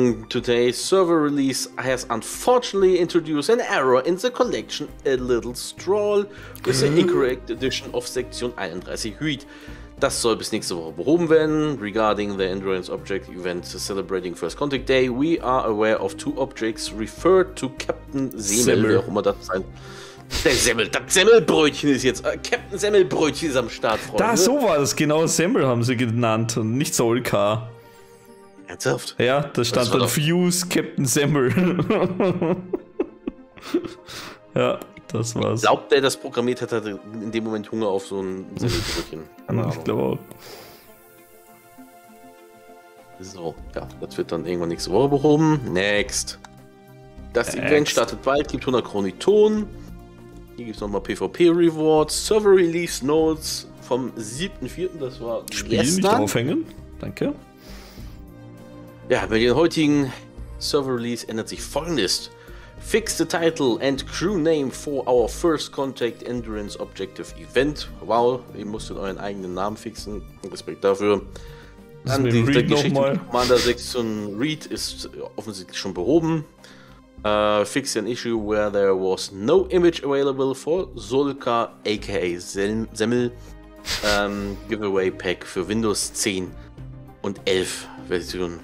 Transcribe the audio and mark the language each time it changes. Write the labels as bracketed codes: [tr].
[en] Today's server release has unfortunately introduced an error in the collection A Little Stroll with the incorrect edition of Section 31 Huit. [de] Das soll bis nächste Woche behoben werden. [en] Regarding the Endurance Object Event celebrating First Contact Day, we are aware of two objects referred to Captain Semmel, [de] wie auch immer das sein. Das Semmelbrötchen ist jetzt. Captain Semmelbrötchen ist am Start, Freunde. Da, so war das genau. Semmel haben sie genannt und nicht Solka. Ernsthaft? Ja, da stand dann Fuse Captain Semmel. Ja. Das war's. Glaubt er, das programmiert hat, hatte in dem Moment Hunger auf so ein Semmelbrötchen. Ich glaube auch. So, ja, das wird dann irgendwann nächste Woche behoben. Next. Das Event startet bald, gibt 100 Chroniton. Hier gibt's nochmal PvP-Rewards. Server Release Notes vom 7.4. Das war Spiel gestern. Nicht draufhängen. Danke. Ja, mit dem heutigen Server Release ändert sich folgendes. [en] Fix the title and crew name for our first contact endurance objective event. [de] Wow, ihr müsstet euren eigenen Namen fixen. Respekt dafür. Dann die Read Geschichte mit Commander 6 und Reed ist offensichtlich schon behoben. [en] Fix an issue where there was no image available for Solka aka Semmel giveaway pack [de] für Windows 10 und 11 Version.